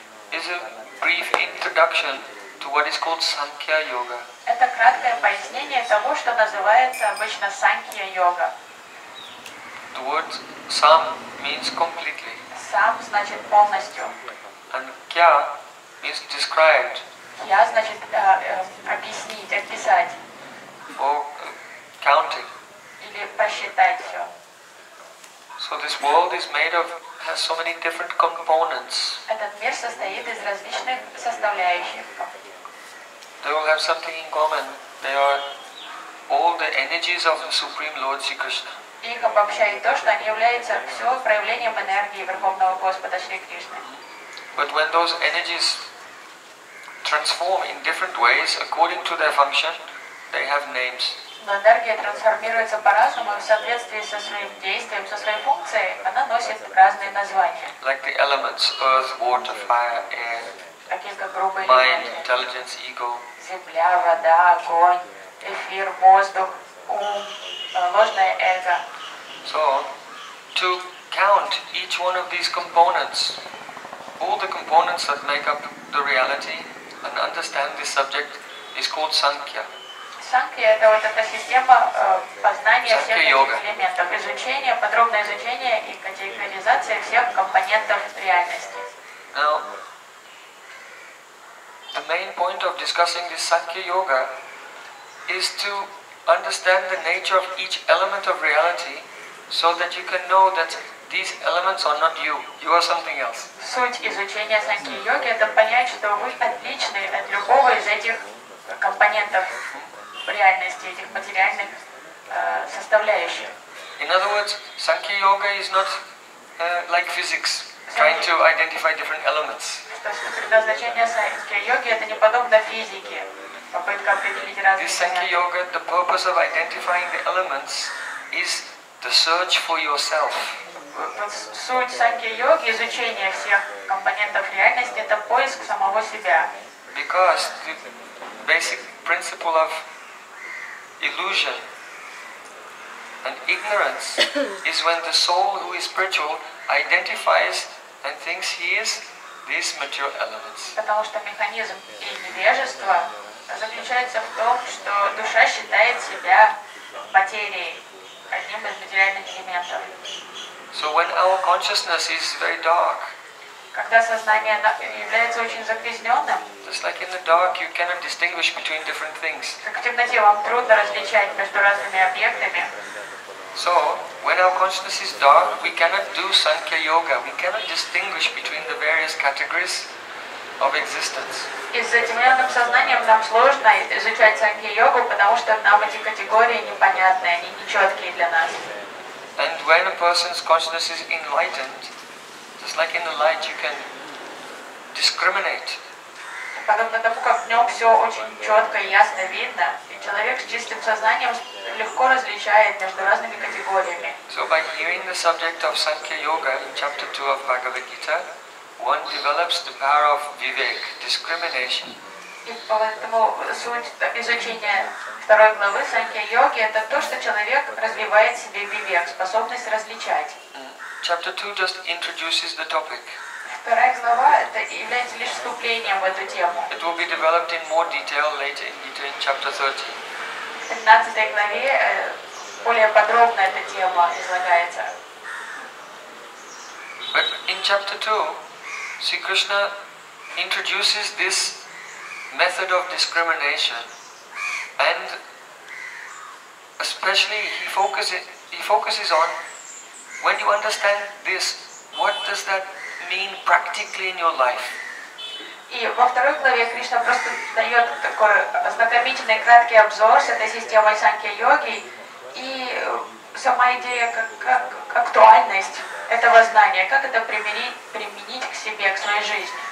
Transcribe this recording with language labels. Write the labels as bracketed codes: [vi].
[en] Is a brief introduction to what is called sankhya-yoga. [ru] Это краткое пояснение того, что называется обычно sankhya-yoga. [en] The word sam means completely. [ru] Сам значит полностью. [en] And kya means described. [ru] Kya значит объяснить, описать. [en] Or counting. [ru] Или посчитать все. [en] So this world is made of, has so many different components. [ru] Этот мир состоит из различных составляющих. [en] They all have something in common. They are all the energies of the Supreme Lord Sri Krishna. [ru] Их обобщает то, что они являются все проявлением энергии Верховного Господа Шри Кришны. [en] But when those energies transform in different ways according to their function, they have names. [ru] Но энергия трансформируется по-разному в соответствии со своим действием, со своей функцией, она носит разные названия. [en] Like the elements, earth, water, fire, air, mind, intelligence, ego. [ru] Земля, вода, огонь, эфир, воздух, ум, ложное эго. [en] So, to count each one of these components, all the components that make up the reality and understand this subject is called sankhya. [ru] Санкхья – это вот эта система познания всех этих элементов, изучение, подробное изучение и категоризация всех компонентов реальности. [en] Now, the main point of discussing this Sankhya Yoga is to understand the nature of each element of reality so that you can know that these elements are not you. You are something else. [ru] Суть изучения Санкхи Йоги это понять, что вы отличны от любого из этих компонентов реальности, этих материальных составляющих. [en] In other words, Sankhya Yoga is not like physics, trying to identify different elements. [ru] Предназначение Sankhya Yoga это не подобно физике, попытка определить разные. [en] This Sankhya Yoga, the purpose of identifying the elements, is the search for yourself. [ru] Суть Sankhya Yoga, изучение всех компонентов реальности, это поиск самого себя. [en] Because the basic principle of illusion. And ignorance is when the soul who is spiritual identifies and thinks he is these material elements. [ru] Потому что механизм невежества заключается в том, что душа считает себя материей, одним из материальных элементов. [en] So when our consciousness is very dark, [ru] когда сознание является очень загрязненным, [en] just like in the dark, you cannot distinguish between different things. [ru] Как в темноте вам трудно различать между разными объектами. [en] So, when our consciousness is dark, we cannot do Sankhya Yoga. We cannot distinguish between the various categories of existence. [ru] Из-за темноты сознания нам сложно изучать Sankhya Yoga, потому что нам эти категории непонятны, они нечеткие для нас. [en] And when a person's consciousness is enlightened, just like in the light, you can discriminate. [ru] Подобно тому, как в нем все очень четко и ясно видно, и человек с чистым сознанием легко различает между разными категориями. [en] So by hearing the subject of Sankhya Yoga in chapter 2 of Bhagavad-Gita, one develops the power of vivek, discrimination. [ru] И поэтому суть изучения второй главы Sankhya Yoga это то, что человек развивает в себе вивек, способность различать. [en] Chapter 2 just introduces the topic. [ru] Вторая глава это является лишь вступлением в эту тему. [en] It will be developed in more detail later in chapter 13. [ru] В 13 главе более подробно эта тема излагается. [en] But in chapter 2, Sri Krishna introduces this method of discrimination, and especially he focuses on when you understand this, what does that mean practically in your life. [ru] И во второй главе Кришна просто дает такой ознакомительный краткий обзор с этой системой Санкхья Йоги и сама идея как актуальность этого знания, как это применить к себе, к своей жизни.